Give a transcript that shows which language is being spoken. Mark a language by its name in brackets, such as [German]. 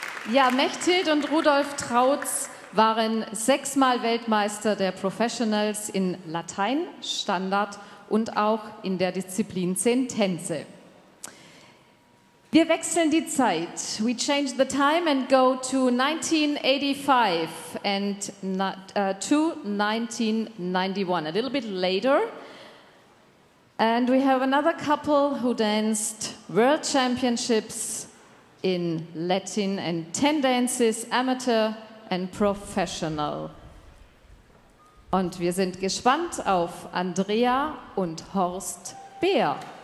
[German] Ja, Mechthild und Rudolf Trautz waren 6-mal Weltmeister der Professionals in Latein, Standard und auch in der Disziplin 10 Tänze. Wir wechseln die Zeit. [English] We change the time and go to 1985 and to 1991, a little bit later. And we have another couple who danced World Championships in Latin and 10 dances, amateur and professional. [German] Und wir sind gespannt auf Andrea und Horst Beer.